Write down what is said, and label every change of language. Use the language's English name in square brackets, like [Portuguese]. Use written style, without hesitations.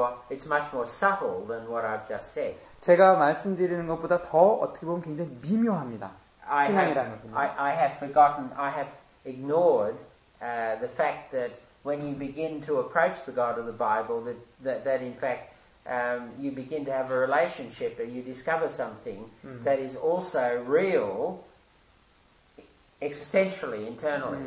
[English] It's much more subtle than what I've just said. [Korean] 제가 말씀드리는 것보다 더 어떻게 보면 굉장히 미묘합니다. 신앙이라는 것은. [English] I have ignored the fact that when you begin to approach the God of the Bible, that in fact you begin to have a relationship and you discover something that is also real existentially, internally.